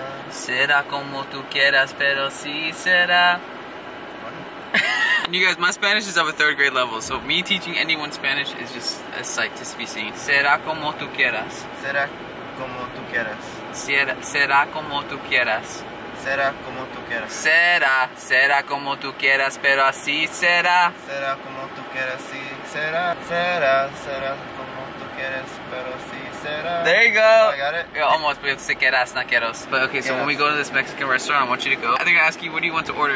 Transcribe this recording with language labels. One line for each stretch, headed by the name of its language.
Spanish: Será como tú quieras, pero sí será.
English: You guys, my Spanish is of a third grade level, so me teaching anyone Spanish is just a sight to be seen.
Spanish: Será como tú quieras. Será como tú quieras. Será como tú quieras. Será como tú quieras. Será como tú quieras, pero así será. Será como tú quieras, sí será. Será como tú quieras, pero sí.
English: There you go. Oh, I got it. Yeah, almost, but it's sequeras, naqueros. But okay, so when we go to this Mexican restaurant, I want you to go. They're gonna ask you, what do you want to order?